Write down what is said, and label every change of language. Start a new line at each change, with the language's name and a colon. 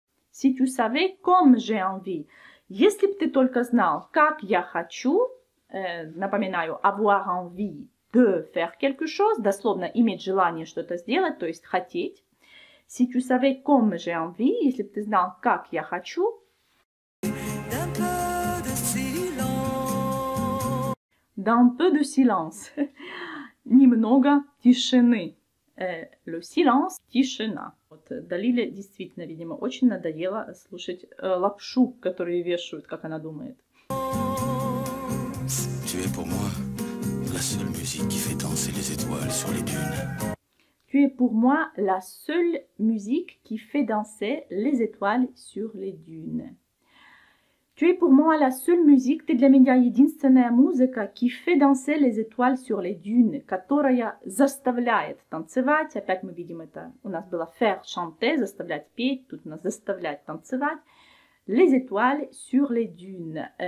French: Si tu savais comme j'ai envie.
Russian: Если бы ты только знал, как я хочу, напоминаю,
French: avoir envie de faire quelque chose,
Russian: дословно иметь желание что-то сделать, то есть хотеть.
French: Si tu savais comme j'ai envie,
Russian: если бы ты знал, как я хочу.
French: D'un peu de silence. D'un peu de silence.
Russian: Немного тишины.
French: Le silence, тишина.
Russian: Вот, Далиле действительно, видимо, очень надоело слушать лапшу, которую вешают, как она думает.
French: Tu es pour moi la seule musique qui fait danser les étoiles sur les dunes. Tu es pour moi la seule musique qui fait danser les étoiles sur les dunes. Tu es pour moi la seule musique,
Russian: ты для меня единственная музыка,
French: qui fait danser les étoiles sur les dunes,
Russian: которая заставляет танцевать. Опять мы видим это, у нас было
French: faire chanter,
Russian: заставлять петь, тут у нас заставлять танцевать.
French: Les étoiles sur les dunes.